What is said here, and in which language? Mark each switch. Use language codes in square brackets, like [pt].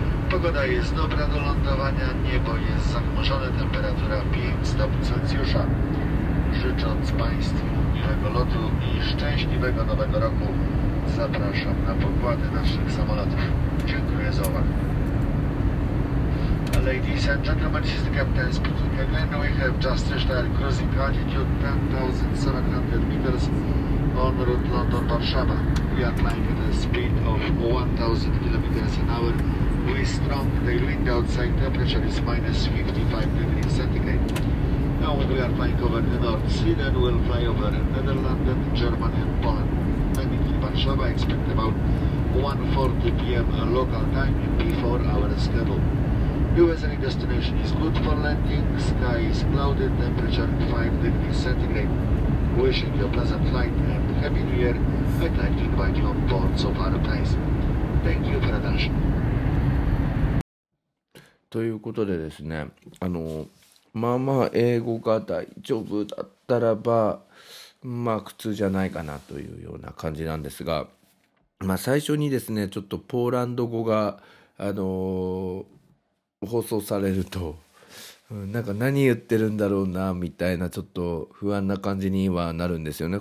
[pl] Pogoda jest dobra do lądowania, niebo jest zachmurzone, temperatura 5 stopni Celsjusza. Życząc Państwu miłego lotu i szczęśliwego nowego roku, zapraszam na pokłady naszych samolotów. Dziękuję za uwagę. [en] Ladies and gentlemen, this is the captain speaking again. We have just reached our cruising altitude 10,700 meters en route London Warszawa. We are flying at a speed of 1,000 kilometers an hour with strong tailwind. Outside temperature is minus 55 degrees centigrade. Now we are flying over the North Sea, then we'll fly over Netherlands, Germany and Poland. Landing in Warszawa, expect about 1:40 p.m. local time before our schedule. USA destination is good for landing, sky is clouded, temperature 5 degrees centigrade. Wishing you a pleasant flight and happy new year, I'd like to invite you on board so far, please. Thank you for attention. [ja] ということでですね、まあまあ英語が大丈夫だったらば、まあ苦痛じゃないかなというような感じなんですが、まあ最初にですね、ちょっとポーランド語が、放送されると、なんか何言ってるんだろうなみたいなちょっと不安な感じにはなるんですよね。